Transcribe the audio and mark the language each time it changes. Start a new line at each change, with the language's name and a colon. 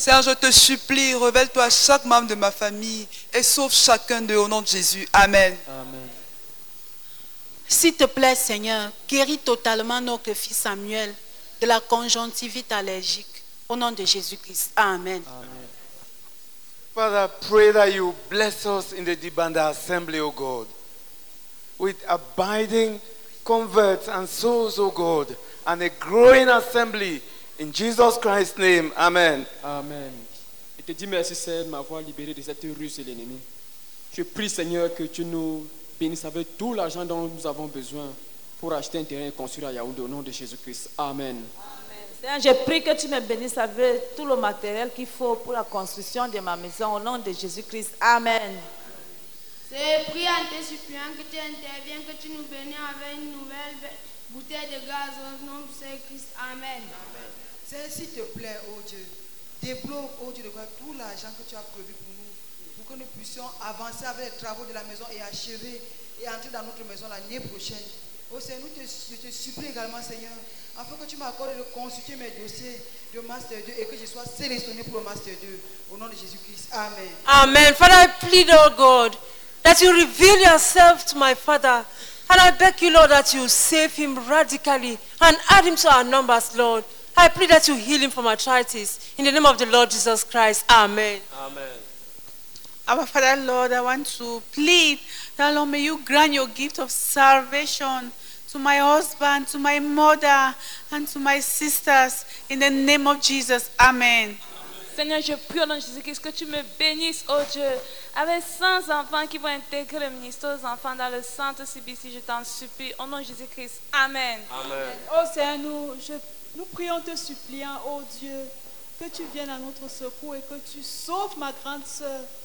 French: Seigneur, je te supplie, révèle-toi à chaque membre de ma famille et sauve chacun d'eux au nom de Jésus. Amen. Amen. S'il te plaît, Seigneur, guéris totalement notre fils Samuel de la conjonctivite allergique au nom de Jésus-Christ. Amen. Amen.
English: Father, pray that you bless us in the Dibanda assembly, O God, with abiding converts and souls, O God, and a growing assembly. In Jesus Christ's name, amen. Amen.
French: Je te dis merci, Seigneur, de m'avoir libéré de cette ruse de l'ennemi. Je prie, Seigneur, que tu nous bénisses avec tout l'argent dont nous avons besoin pour acheter un terrain et construire à Yaoundé au nom de Jésus-Christ. Amen. Amen. Seigneur, je prie que tu me bénisses avec tout le matériel qu'il faut pour la construction de ma maison au nom de Jésus-Christ. Amen. Je prie en te suppliant que tu interviennes, que tu nous bénisses avec une nouvelle bouteille de gaz au nom de Jésus-Christ. Amen. Seigneur, s'il te plaît, ô Dieu, débloque, ô Dieu de gloire, tout l'argent que tu as prévu pour nous, pour que nous puissions avancer avec les travaux de la maison et achever et entrer dans notre maison l'année prochaine. Ô Seigneur, nous te supplie également, Seigneur, afin que tu m'accordes de consulter mes dossiers de Master 2 et que je sois sélectionné pour le Master 2. Au nom de Jésus-Christ, amen. Amen.
English: Father, I plead, oh God, that you reveal yourself to my father. And I beg you, Lord, that you save him radically and add him to our numbers, Lord. I pray that you heal him from arthritis. In the name of the Lord Jesus Christ. Amen. Amen. Our Father, Lord, I want to plead that, Lord, may you grant your gift of salvation to my husband, to my mother, and to my sisters. In the name of Jesus. Amen.
French: Seigneur, je prie au nom de Jésus-Christ que tu me bénisses, oh Dieu, avec 100 enfants qui vont intégrer le ministère aux enfants dans le centre CBC. Je t'en supplie. Au nom de Jésus-Christ. Amen. Amen. Oh Seigneur, nous prions te suppliant, oh Dieu, que tu viennes à notre secours et que tu sauves ma grande sœur.